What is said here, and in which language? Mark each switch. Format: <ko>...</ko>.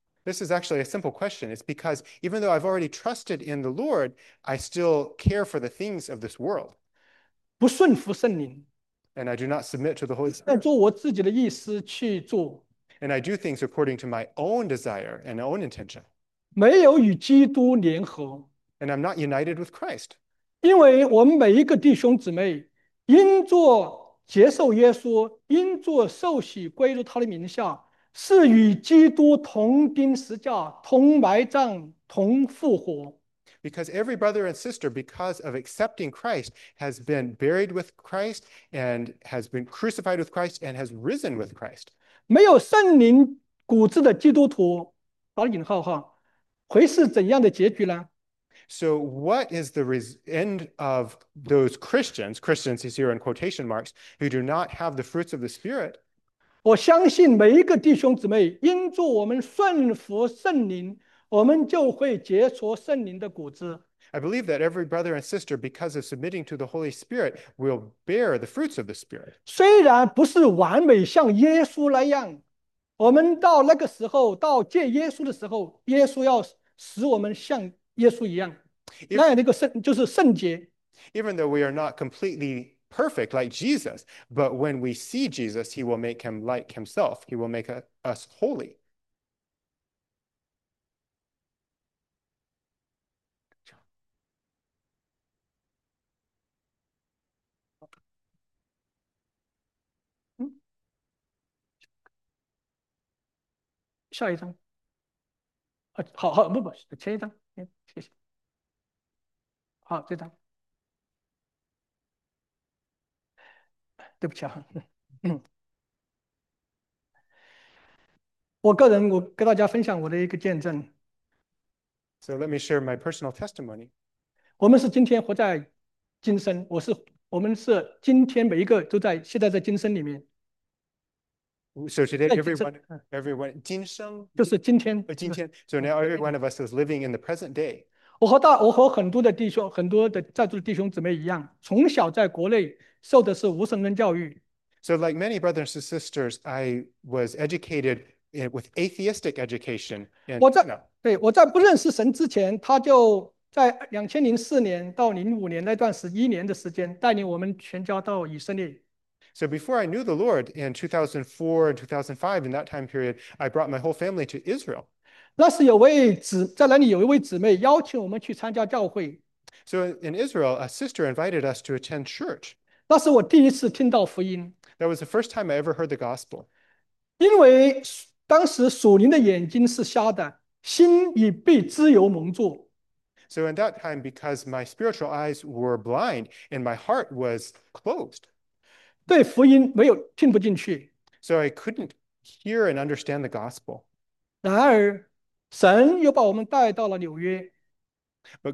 <en>This is actually a simple question. It's because even though I've already trusted in the Lord, I still care for the things of this world.</en> <zh>不顺服圣灵，</zh> <en>And I do not submit to the Holy</en> <zh>在</zh> <en>Spirit.</en> <zh>做我自己的意思去做。</zh> <en>And I do things according to my own desire and own intention.</en> <zh>没有与基督联合，</zh> <en>And I'm not united with Christ.</en> <zh>因为我们每一个弟兄姊妹，因着接受耶稣，因着受洗归入他的名下，是与基督同钉十字架、同埋葬、同复活。</zh> <en>Because every brother and sister, because of accepting Christ, has been buried with Christ and has been crucified with Christ and has risen with Christ.</en> <zh>没有圣灵骨子的基督徒，打引号哈。会是怎样的结局呢？</zh> <en>So, what is the end of those Christians? Christians is here in quotation marks, who do not have the fruits of the Spirit.</en> <zh>我相信每一个弟兄姊妹，因着我们顺服圣灵，我们就会结出圣灵的果子。</zh> <en>I believe that every brother and sister, because of submitting to the Holy Spirit, will bear the fruits of the Spirit.</en> <zh>虽然不是完美，像耶稣那样。我们到那个时候，到见耶稣的时候，耶稣要使我们像耶稣一样，那样的一个圣，就是圣洁。</zh> <en>Even though we are not completely perfect like Jesus, but when we see Jesus, he will make him like himself, he will make us holy.</en> <zh>下一张，啊，好好，不，前一张，嗯，谢谢。好，这张，对不起啊，我跟大家分享我的一个见证。</zh> <en>So let me share my personal testimony.</en> <zh>我们是今天活在今生，我们是今天每一个都在现在在今生里面，</zh> <en>So today,</en> <zh>在今生，今生，就是今天，今天。</zh> <en>So now, every one of us is living in the present day.</en> <zh>我和很多的弟兄，很多的在座的弟兄姊妹一样，从小在国内受的是无神论教育。</zh> <en>So, like many brothers and sisters, I was educated with atheistic education. And,</en> <zh>我在不认识神之前, 他就在2004年到05年那段11年的时间带领我们全家到以色列。</zh> <en>So before I knew the Lord in 2004 and 2005, in that time period, I brought my whole family to Israel.</en> <zh>那时有位姊,在那里有一位姊妹邀请我们去参加教会。</zh> <en>So in Israel, a sister invited us to attend church.</en> <zh>那是我第一次听到福音。</zh> <en>That was the first time I ever heard the gospel.</en> <zh>因为当时属灵的眼睛是瞎的,心已被自由蒙住。</zh> <en>So in that time, because my spiritual eyes were blind and my heart was closed,</en> <zh>对福音没有听不进去。So</zh> <en>I couldn't hear and understand the gospel.</en> <zh>然而,神又把我们带到了纽约。But</zh>